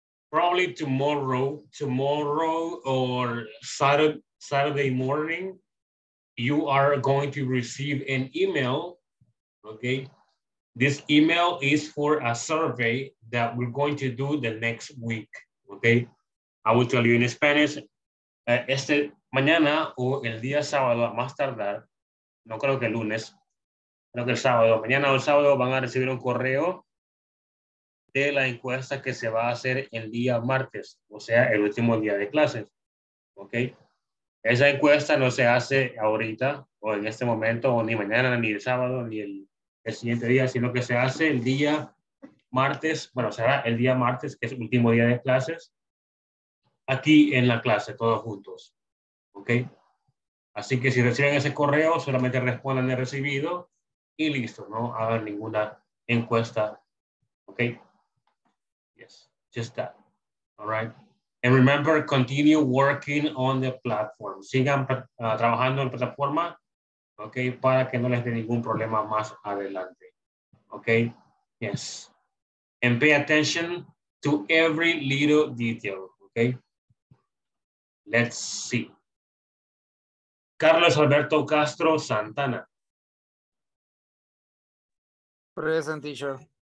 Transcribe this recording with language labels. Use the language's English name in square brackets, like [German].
[English] Probably tomorrow or Saturday morning, you are going to receive an email. Okay, this email is for a survey that we're going to do the next week. Okay, I will tell you in Spanish. [Spanish] Este mañana o el día sábado más tardar, no creo que el lunes, creo que el sábado, mañana o el sábado van a recibir un correo de la encuesta que se va a hacer el día martes, o sea, el último día de clases. Okay, esa encuesta no se hace ahorita o en este momento, o ni mañana, ni el sábado, ni el siguiente día, sino que se hace el día martes, bueno, será el día martes, que es el último día de clases, aquí en la clase, todos juntos, ¿ok? Así que si reciben ese correo, solamente respondan el recibido y listo, no hagan ninguna encuesta, ¿ok? [English] Yes, just that, all right? And remember, continue working on the platform. [Spanish] Sigan trabajando en la plataforma. Okay, para que no les dé ningún problema más adelante. [English] Okay, yes. And pay attention to every little detail, okay? Let's see. Carlos Alberto Castro Santana. Present, teacher.